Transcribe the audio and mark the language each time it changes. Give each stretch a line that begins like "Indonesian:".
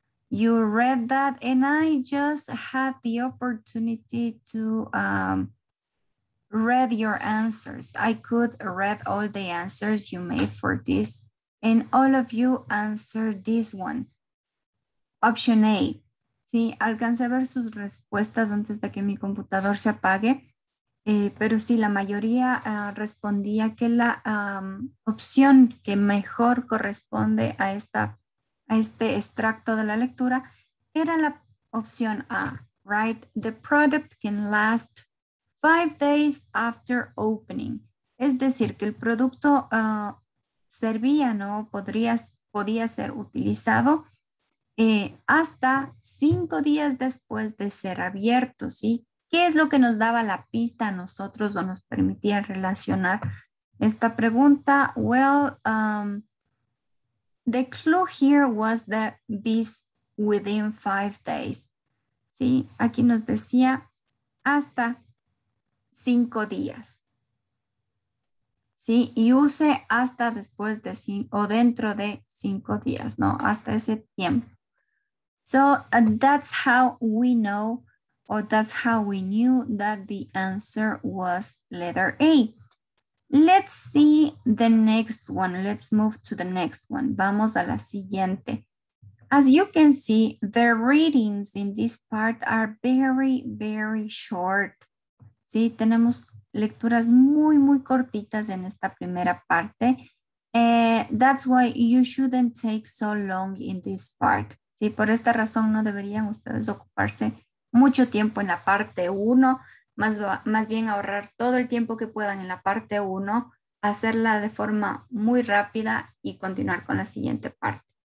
English: You read that and I just had the opportunity to read your answers. I could read all the answers you made for this and all of you answered this one. Option A.
Spanish: Sí, alcancé a ver sus respuestas antes de que mi computador se apague. Pero sí, la mayoría respondía que la opción que mejor corresponde a esta a este extracto de la lectura, era la opción A, right?
English: The product can last 5 days after opening.
Spanish: Es decir, que el producto servía, ¿no? Podía ser utilizado hasta 5 días después de ser abierto, ¿sí? ¿Qué es lo que nos daba la pista a nosotros o nos permitía relacionar esta pregunta?
English: Well, the clue here was that this within 5 days.
Spanish: Sí, aquí nos decía hasta 5 días. Sí, y use hasta después de 5 o dentro de 5 días, ¿no? Hasta ese tiempo.
English: So that's how we know, or that's how we knew that the answer was letter A. Let's see the next one. Let's move to the next one.
Spanish: Vamos a la siguiente.
English: As you can see, the readings in this part are very, very short.
Spanish: Sí, tenemos lecturas muy, muy cortitas en esta primera parte.
English: That's why you shouldn't take so long in this part.
Spanish: Sí, por esta razón no deberían ustedes ocuparse mucho tiempo en la parte 1, más bien ahorrar todo el tiempo que puedan en la parte 1, hacerla de forma muy rápida y continuar con la siguiente parte.